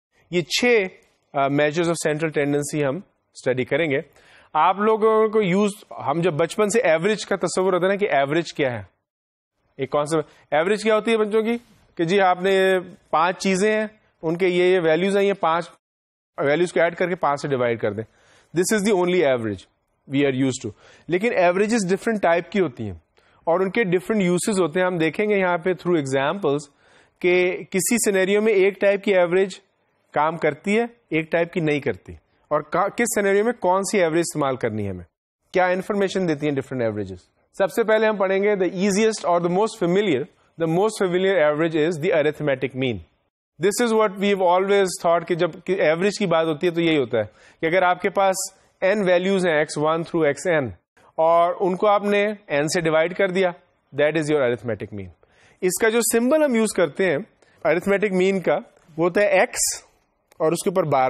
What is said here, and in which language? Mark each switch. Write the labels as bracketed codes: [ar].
[ur] یہ چھ measures of central tendency ہم اسٹڈی کریں گے. آپ لوگوں کو یوز, ہم جب بچپن سے ایوریج کا تصور ہوتا ہے نا کہ ایوریج کیا ہے, ایک کانسیپٹ ایوریج کیا ہوتی ہے بچوں کی, کہ جی آپ نے پانچ چیزیں ہیں ان کے یہ ویلوز آئی ہیں, پانچ ویلوز کو ایڈ کر کے پانچ سے ڈیوائڈ کر دیں. [en] This is the only average we are used to. [ur] لیکن averages different type کی ہوتی ہیں اور ان کے different uses ہوتے ہیں. ہم دیکھیں گے یہاں پہ through examples کہ کسی scenario میں ایک type کی average کام کرتی ہے, ایک type کی نہیں کرتی, اور کس scenario میں کون سی average استعمال کرنی ہے, ہمیں کیا information دیتی ہیں different averages. سب سے پہلے ہم پڑھیں گے [en] the easiest or the most familiar average is the arithmetic mean. This is what we have always thought [ur] کہ جب ایوریج کی بات ہوتی ہے تو یہی ہوتا ہے کہ اگر آپ کے پاس n ویلوز ہیں x1 through xn اور ان کو آپ نے n سے ڈیوائڈ کر دیا, [en] That is your arithmetic man. [ur] اس کا جو سمبل ہم یوز کرتے ہیں ارتھمیٹک مین کا وہ ہوتا ہے ایکس اور اس کے اوپر بار.